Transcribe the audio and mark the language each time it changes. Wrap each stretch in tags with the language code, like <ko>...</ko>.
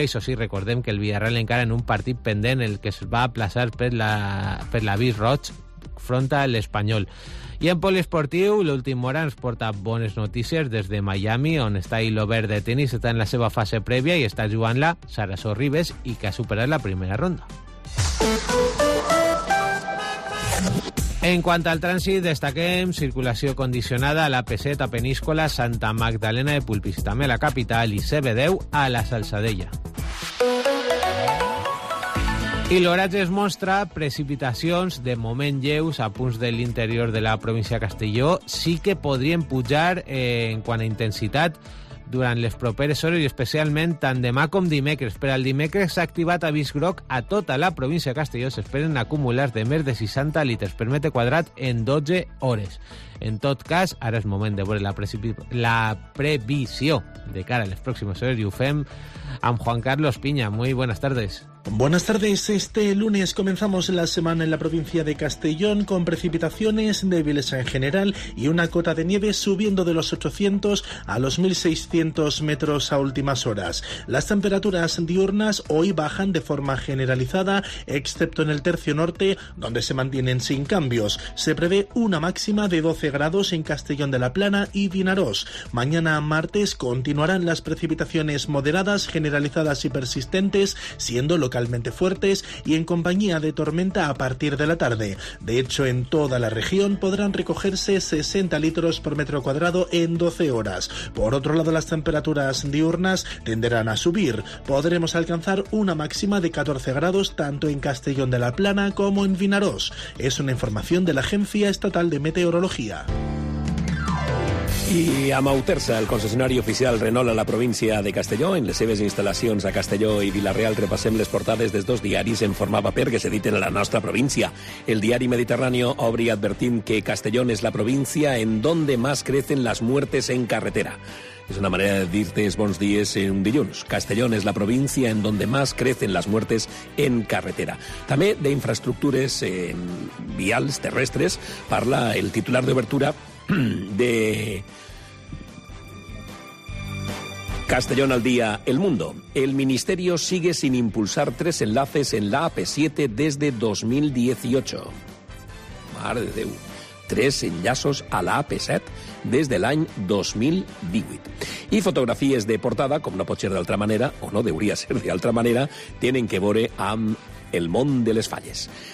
<ca>Això sí, recordem que el Villarreal encara en un partit pendent, el que es va aplaçar per la Bis Roig front a l'Espanyol. I en poliesportiu, l'últim hora ens porta bones notícies des de Miami, on està l'Obert de tenis, està en la seva fase prèvia i està jugant-la Sarasó Ribes, i que ha superat la primera ronda.</ca> <es>En cuanto al tránsito, destaquem circulación condicionada a la P7 a Peníscola, Santa Magdalena de Pulpis, también a la capital, y CB10 a la Salsadella.</es> <ca>I l'horatge es mostra precipitacions de moment lleus a punts de l'interior de la província de Castelló. Sí que podrien pujar en quant a intensitat durant les properes hores, i especialment tant demà com dimecres. Per al dimecres s'ha activat avís groc a tota la província de Castelló. S'esperen acumulars de més de 60 litres per metre quadrat en 12 hores. En tot cas, ara és moment de veure la previsió de cara a les pròximes hores, i ho fem amb Juan Carlos Piña.</ca> <es>Muy buenas tardes. Buenas tardes. Este lunes comenzamos la semana en la provincia de Castellón con precipitaciones débiles en general y una cota de nieve subiendo de los 800 a los 1.600 metros a últimas horas. Las temperaturas diurnas hoy bajan de forma generalizada, excepto en el tercio norte, donde se mantienen sin cambios. Se prevé una máxima de 12 grados en Castellón de la Plana y Vinarós. Mañana martes continuarán las precipitaciones moderadas, generalizadas y persistentes, siendo localmente fuertes y en compañía de tormenta a partir de la tarde. De hecho, en toda la región podrán recogerse 60 litros por metro cuadrado en 12 horas. Por otro lado, las temperaturas diurnas tenderán a subir. Podremos alcanzar una máxima de 14 grados tanto en Castellón de la Plana como en Vinarós. Es una información de la Agencia Estatal de Meteorología.</es> <ca>I amb Autersa, el concessionari oficial Renault a la província de Castelló, en les seves instal·lacions a Castelló i Vila-real, repassem les portades dels dos diaris en format paper que s'editen a la nostra província. El diari Mediterráneo obre advertint que Castellón és la província</ca> <es>en donde más crecen las muertes en carretera.</es> <ca>És una manera de dir-te bons dies en un dilluns. Castellón és la província</ca> <es>en donde más crecen las muertes en carretera.</es> <ca>També d'infraestructures vials terrestres parla el titular d'obertura de Castellón al día, El Mundo.</ca> <es>El ministerio sigue sin impulsar tres enlaces en la AP7 desde 2018.</es> <ca>Madre de Déu. Tres enllaços a la AP7 des de l'any 2018. I fotografies de portada, com no pot ser d'altra manera, o no deuria ser d'altra manera, tenen que veure amb el món de les falles.</ca>